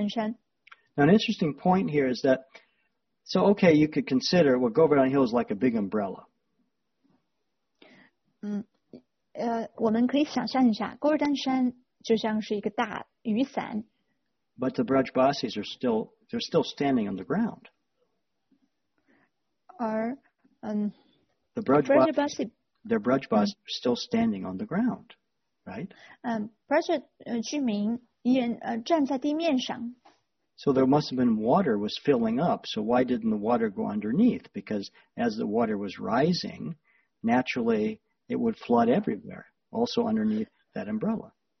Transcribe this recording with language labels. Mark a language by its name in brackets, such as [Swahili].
[English] an interesting point here is that, so okay, you could consider, well, Govardhan hill is like a big umbrella. [Chinese] 我们可以想象一下，戈尔丹山就像是一个大雨伞。 [English] But the Brajabasis are still, they're still standing on the ground. [Chinese] 而, [English] The Brajabasis are still standing on the ground, right? [Chinese] Brajabasis居民站在地面上。 [English] So there must have been water was filling up, so why didn't the water go underneath? Because as the water was rising, naturally, it would flood everywhere, also underneath that umbrella.